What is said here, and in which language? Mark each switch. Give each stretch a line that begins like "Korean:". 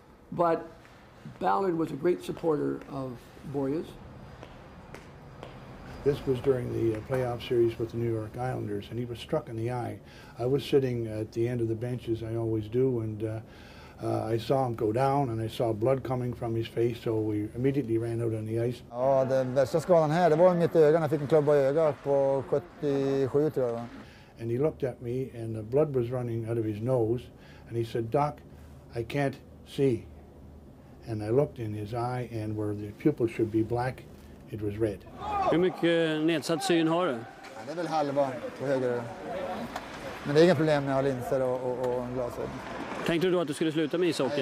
English: But Ballard was a great supporter of Börje's. This was during the playoff series with the New York Islanders, and he was struck in the eye. I was sitting at the end of the bench, as I always do, and I saw him go down, and I saw blood coming from his face, so we immediately ran out on the ice. Oh, the
Swedish: värsta skadan här, det var i mitt öga. Jag fick en klubba i ögat på 77, tror jag.
English: And he looked at me, and the blood was running out of his nose, and he said, Doc, I can't see. And I looked in his eye, and where the pupil should be black, it was red.
Swedish: Hur mycket nedsatt syn har du? Det är väl halva på höger. Men det är inga problem med att ha linser och en glasögon. Tänkte du då att du skulle sluta med ishockey?